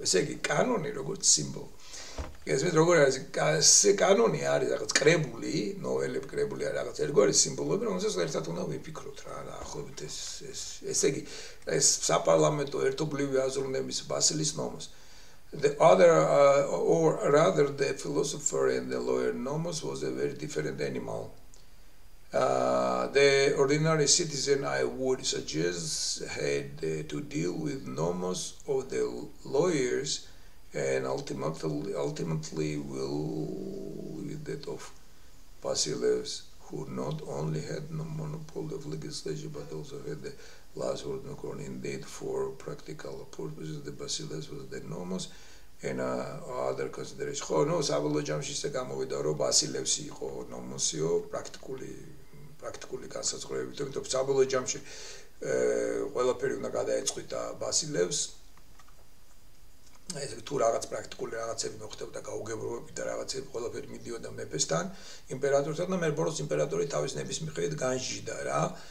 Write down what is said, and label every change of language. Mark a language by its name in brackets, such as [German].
[Georgian] ესე იგი კანონი როგორც სიმბოლო. ეს მე როგორ არის კანონი არის რაღაც კრებული, ნოველები კრებული არის რაღაც ერგორი სიმბოლოები, რომელსაც ერთად უნდა ვიფიქროთ რა და ახობით ეს ესე იგი ეს საპარლამენტო ერთობლივი აზროვნების ბასილის ნომოს. [English] The other or rather the philosopher and the lawyer nomos was a very different animal. The ordinary citizen, I would suggest, had to deal with nomos of the lawyers and ultimately will with that of Basileus, who not only had no monopoly of legislation but also had the last word no corn. Indeed, for practical purposes, the Basileus was the nomos and other considerations. [Georgian] Oh, no, Savalo Jamshi Sagamovidaro, Basileus, nomosio, პრაქტიკული განსაზღვრებით, იმიტომ რომ საბოლოო ჯამში ყველაფერი უნდა გადაეწყვიტა ბასილევს. ეს თუ რაღაც პრაქტიკული რაღაცები მოხდებოდა გაუგებრობები და რაღაცები ყველაფერი მიდიოდა მეფესთან, იმპერატორთან და მერბოროს იმპერატორი თავის ნების მიხედვით განჯიდა რა.